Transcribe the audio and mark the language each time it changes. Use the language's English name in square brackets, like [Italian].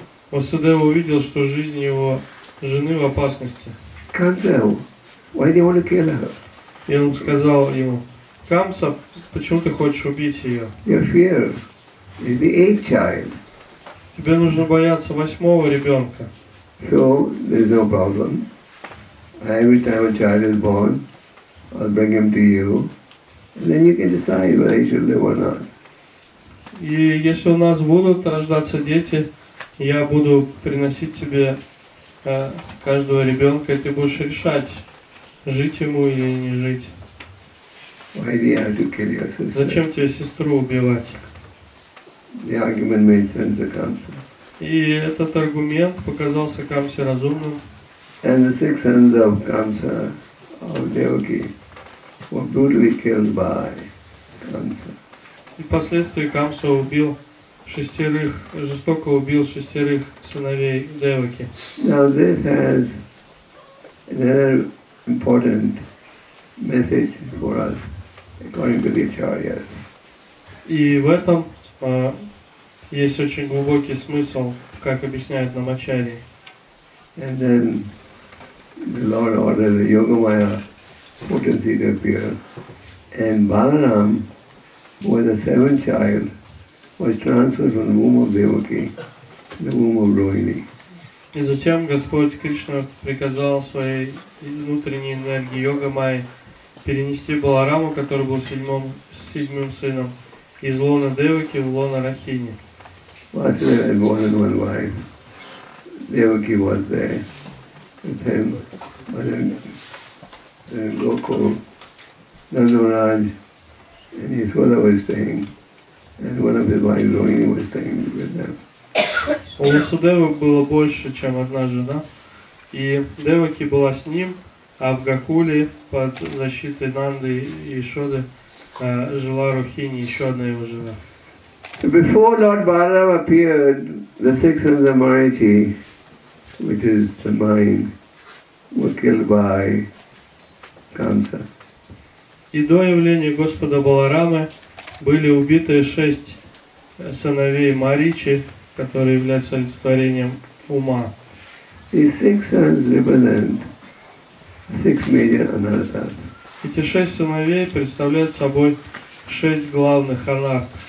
[Russian] Васудева увидел, что жизнь его жены в опасности. [English] Камсел, why do you want to kill her? [Russian] И он сказал ему: Камса, почему ты хочешь убить ее? [English] Your fear is the eighth child. [Russian] Тебе нужно бояться восьмого ребенка. [English] So there's no problem. Every time a child is born, I'll bring him to you, and then you can decide whether he should live or not. [Russian] И если у нас будут рождаться дети, я буду приносить тебе каждого ребенка, и ты будешь решать, жить ему или не жить. [English] Why do you have to kill your sister? [Russian] Зачем тебе сестру убивать? [English] The argument made sense to Камса. [Russian] И этот аргумент показался Камсе разумным. [English] And the six sons of Kamsa, of Devaki, were brutally killed by Kamsa. [Russian] И впоследствии Камса убил шестерых, жестоко убил шестерых сыновей Деваки. [English] Now this has another important message for us, according to the Acharyas. [Russian] И в этом есть очень глубокий смысл, как объясняют нам Ачарьи. [English] And then the Lord ordered the Yogamaya potency to appear, and Balaram, who was the seventh child, was transferred from the womb of Devaki to the womb of Rohini. [Russian] И затем Господь Кришна приказал своей внутренней энергии Йогамайи перенести Баларама, который был седьмым сыном, из лона Деваки в лона Рахини. [English] Vasudeva had more than one wife. Devaki was there with him. But then Gokul, Nandaraj, and his father was staying. And one of his wives, Rohini, was staying with them. [Russian] У Васудевы было больше, чем одна жена. И Деваки была с ним, а в Гокуле под защитой Нанды и Ишоды жила Рухини, еще одна его жена. [English] Before Lord Balaram appeared, the six sons of Marichi, which is the mind, were killed by Kamsa. [Russian] И до явления Господа Баларамы были убиты шесть сыновей Маричи, которые являются олицетворением ума. [English] These six sons represent six major anarthas. [Russian] Эти шесть сыновей представляют собой шесть главных анарх.